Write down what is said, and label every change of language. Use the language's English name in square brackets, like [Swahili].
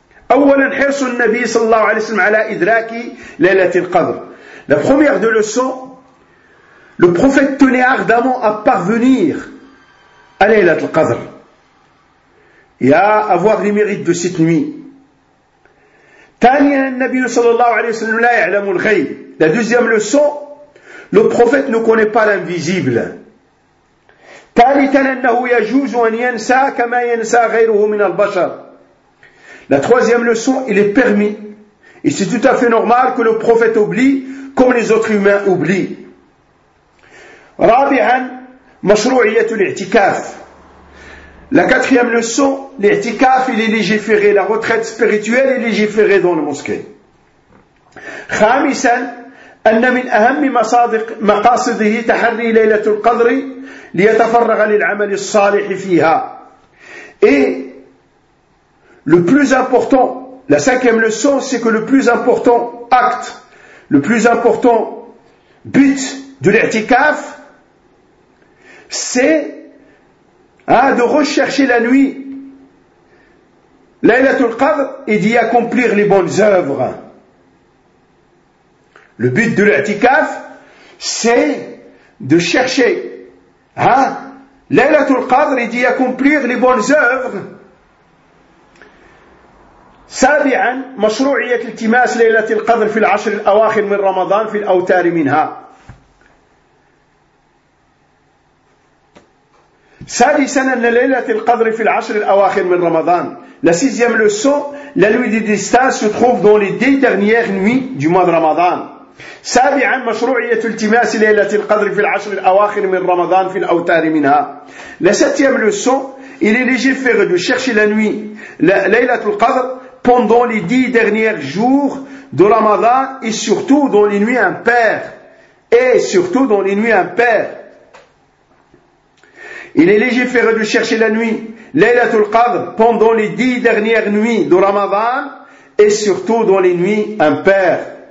[Arabic] أولا حرص النبي صلى الله عليه وسلم على إدراك ليلة القدر. [French] La première de leçon, le prophète tenait ardemment à parvenir à ليلة القدر et à avoir les mérites de cette nuit. [Arabic] ثانيا النبي صلى الله عليه وسلم لا يعلم الغيب. [French] La deuxième leçon, le prophète ne connaît pas l'invisible. [Arabic] ثالثا أنه يجوز أن ينسى كما ينسى غيره من البشر. [French] La troisième leçon, il est permis. Et c'est tout à fait normal que le prophète oublie comme les autres humains oublient. [Arabic] رابعا مشروعية الاعتكاف. [French] La quatrième leçon, l'اعتكاف, il est légiféré. La retraite spirituelle est légiférée dans la mosquée. [Arabic] خامسا أن من أهم مصادق مقاصده تحري ليلة القدر ليتفرغ للعمل الصالح فيها. [French] Et le plus important, la cinquième leçon, c'est que le plus important acte, le plus important but de l'i'tikaf, c'est de rechercher la nuit, Laylatul Qadr, et d'y accomplir les bonnes œuvres. Le but de l'i'tikaf, c'est de chercher Laylatul Qadr et d'y accomplir les bonnes œuvres. [Arabic] سابعا مشروعية التماس ليلة القدر في العشر الأواخر من رمضان في الأوتار منها. سادسا أن ليلة القدر في العشر الأواخر من رمضان. [French] La sixième leçon, la nuit des distances se trouve dans les dix dernières nuits du mois de Ramadan. [Arabic] سابعا مشروعية التماس ليلة القدر في العشر الأواخر من رمضان في الأوتار منها. [French] La septième leçon, il est légiféré de chercher la nuit, ليلة القدر, pendant les dix derniers jours de Ramadan et surtout dans les nuits impaires. Et surtout dans les nuits impaires. Il est légiféré de chercher la nuit, Laylatul Qadr, pendant les dix dernières nuits de Ramadan et surtout dans les nuits impaires.